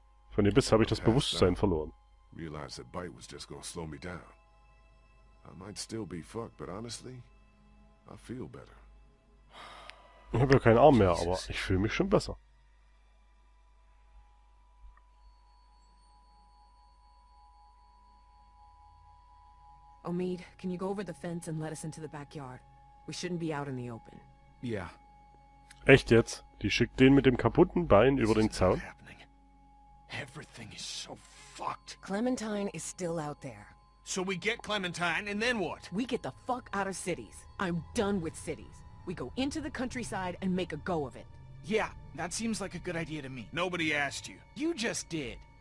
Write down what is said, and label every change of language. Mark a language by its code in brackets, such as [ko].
[de] Von dem Biss habe ich das Bewusstsein verloren. [en] Realized that bite was just gonna slow me down. I might still be fucked, but honestly, I feel better. [de] Ich habe ja keinen Arm mehr, aber ich fühle mich schon besser. [en] Omid, can you go over the fence and let us into the backyard? We shouldn't be out in the open. Yeah. [de] Echt jetzt? Die schickt den mit dem kaputten Bein über den Zaun? [en] Everything is so fucked. Clementine is still out there. So we get Clementine and then what? We get the fuck out of cities. I'm done with cities. We go into the countryside and make a go of it. Yeah, that seems like a good idea to me. Nobody asked you. You just did.